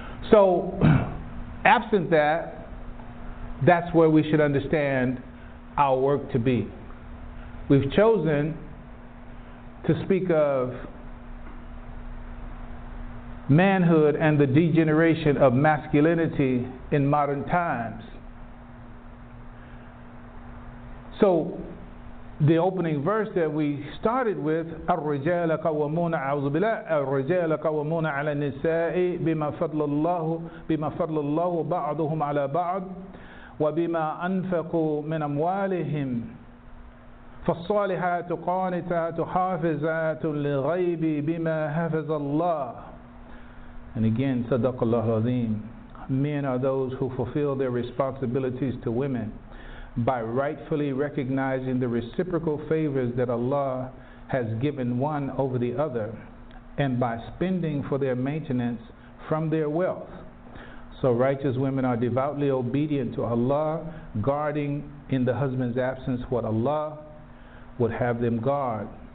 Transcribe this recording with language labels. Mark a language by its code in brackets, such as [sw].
[en] So, absent that, that's where we should understand our work to be. We've chosen to speak of manhood and the degeneration of masculinity in modern times. So, the opening verse that we started with, [ar] الرجال قوامون أعوذ بالله الرجال قوامون على النساء بما فضل الله بعضهم على بعض وبما أنفقوا من أموالهم فالصالحات قانتات حافظات للغيب بما حفظ الله. [en] And again, [ar] صدق الله العظيم. [en] Men are those who fulfill their responsibilities to women by rightfully recognizing the reciprocal favors that Allah has given one over the other and by spending for their maintenance from their wealth. So righteous women are devoutly obedient to Allah, guarding in the husband's absence what Allah would have them guard.